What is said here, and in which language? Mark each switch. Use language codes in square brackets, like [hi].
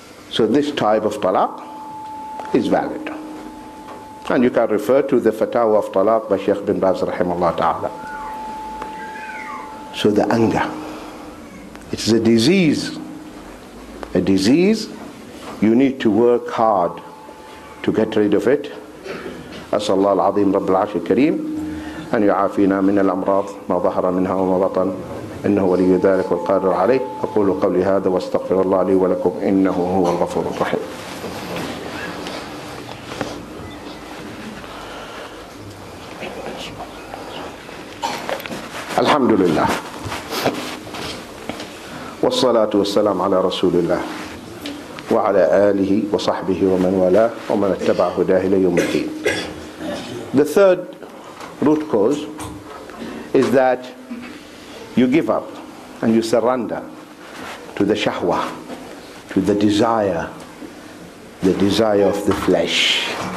[en] So this type of talaq is valid. And you can refer to the fatawa of talaq by Sheikh bin Baz rahimahullah ta'ala. So the anger, it is a disease. A disease, you need to work hard to get rid of it. [ar] أسأل الله العظيم رب العرش الكريم أن يعافينا من الأمراض ما ظهر منها وما بطن إنه ولي ذلك والقادر عليه أقول قولي هذا واستغفر الله لي ولكم إنه هو الغفور الرحيم. الحمد لله والصلاة والسلام على رسول الله وعلى آله وصحبه ومن والاه ومن اتبع هداه إلى يوم الدين. [en] The third root cause is that you give up and you surrender to the shahwa, to the desire of the flesh.